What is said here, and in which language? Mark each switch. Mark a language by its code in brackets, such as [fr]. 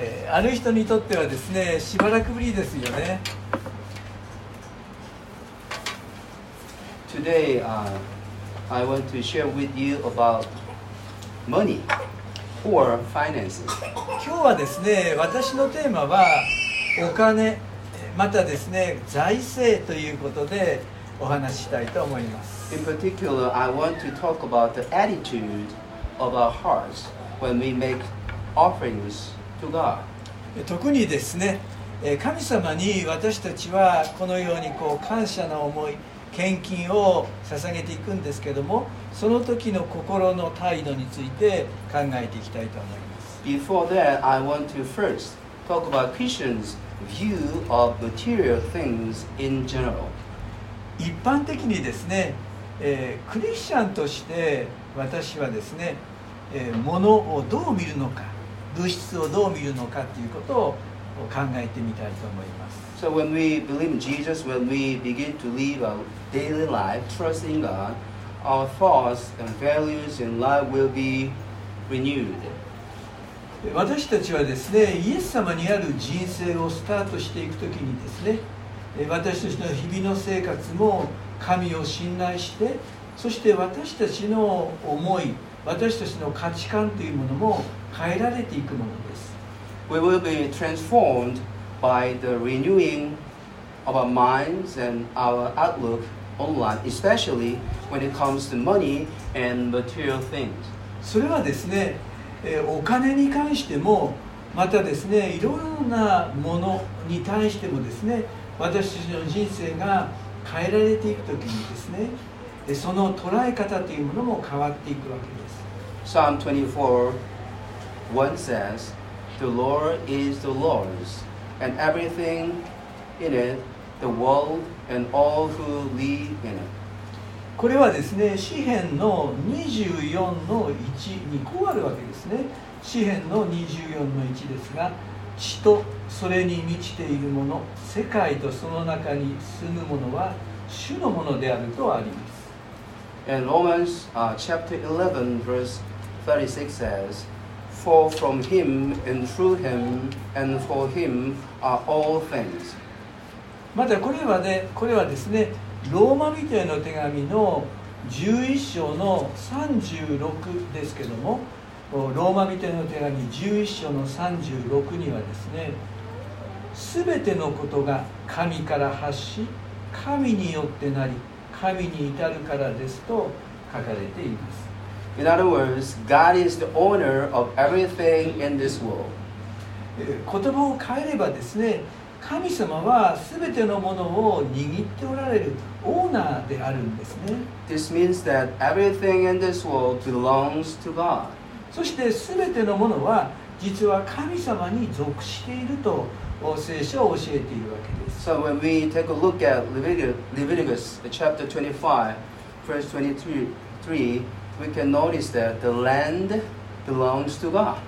[ja] ある人にとってはですね、しばらくぶりですよね。 [en] Today, I want to share with you about money or finances. [ja] 今日はですね、私のテーマはお金、またですね、財政ということでお話したいと思います。 [en] In particular, I want to talk about the attitude of our hearts when we make offerings to God. [ja] 特にですね、神様に私たちはこのようにこう感謝の思い、献金を捧げていくんですけども、その時の心の態度について考えていきたいと思います。 [en] Before that, I want to first talk about Christians' view of material things in general. [ja] 一般的にですね、クリスチャンとして私はですね、物をどう見るのか、物質をどう見るのかということを考えてみたいと思います。 [en] So when we believe in Jesus, when we begin to live our daily life trusting God, our thoughts and values and love will be renewed. [ja] 私たちはですね、イエス様にある人生をスタートしていくときにですね、私たちの日々の生活も神を信頼して、そして私たちの思い、私たちの価値観というものも変えられていくものです。 [en] We will be transformed by the renewing of our minds and our outlook on life, especially when it comes to money and material things. [ja] それはですね、お金に関しても、またですね、いろいろなものに対してもですね、私たちの人生が変えられていくときにですね、その捉え方というものも変わっていくわけです。 [en] Psalm 24:1 says, "The Lord is the Lord's, and everything in it, the world and all who live in it." [ja] これはですね、詩編の 24:1 にこうあるわけですね。詩編の 24:1 ですが、地とそれに満ちているもの、世界とその中に住むものは主のものであるとあります。 [en] And Romans chapter 11 verse 36 says, For from him and through him and for him are all things. [ja] またこれはね、これはですね、ローマ人への手紙の11章の36ですけども、ローマ人への手紙11章の36にはですね、すべてのことが神から発し、神によってなり、神に至るからですと書かれています。 [en] In other words, God is the owner of everything in this world. [ja] 言葉を変えればですね、神様は全てのものを握っておられるオーナーであるんですね。 [en] This means that everything in this world belongs to God. [ja] そして全てのものは実は神様に属していると聖書を教えているわけです。 [en] So when we take a look at Leviticus chapter 25, verse 23, we can notice that the land belongs to God.